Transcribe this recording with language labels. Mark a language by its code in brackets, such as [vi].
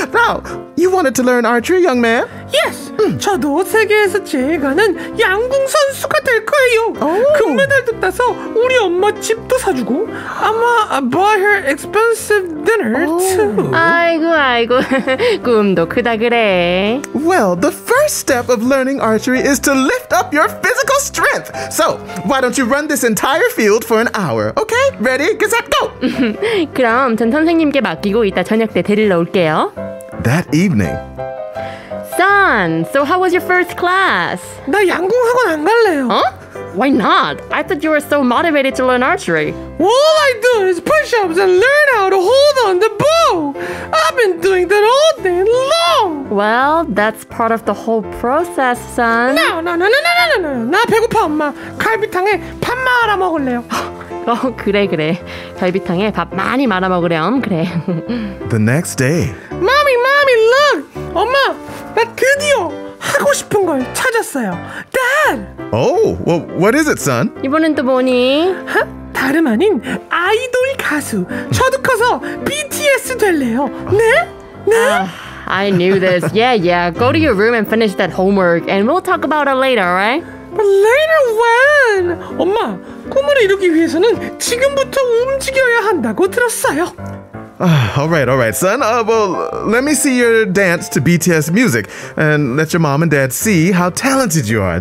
[en] Now, you wanted to learn archery, young man? Yes. [ko] 저도 세계에서 제일 아는 양궁 선수가 될 거예요. Oh. 금메달도 따서 우리 엄마 집도 사주고 아마 [en] buy her expensive dinner too. [ko] 아이고 아이고 꿈도 크다 그래. [en] Well, the first step of learning archery is to lift up your physical strength. So, why don't you run this entire field for an hour? Okay, ready, get set, go! [ko] 그럼 전 선생님께 맡기고 이따 저녁 때 데리러 올게요. [en] That evening. Son, so how was your first class? [ko] 나 양궁 학원 안 갈래요. [en] Huh? Why not? I thought you were so motivated to learn archery. All I do is push-ups and learn how to hold on the bow. I've been doing that all day long. Well, that's part of the whole process, son. [ko] No. 나 배고파, 엄마. 갈비탕에 밥 말아 먹을래요. 그래. 갈비탕에 밥 많이 말아 먹으렴, 그래. [en] The next day. Mommy, look. [ko] 엄마, 나 드디어 하고 싶은 걸 찾았어요. [en] Dad! Oh, well, what is it, son? [ko] 이번엔 또 뭐니? 다름 아닌 아이돌 가수. 저도 커서 BTS 될래요. 네? 네? [en] I knew this. Yeah. Go to your room and finish that homework. And we'll talk about it later, alright? But later when? [ko] 엄마, 꿈을 이루기 위해서는 지금부터 움직여야 한다고 들었어요. [en] All right, son. Well, let me see your dance to BTS music. And let your mom and dad see how talented you are.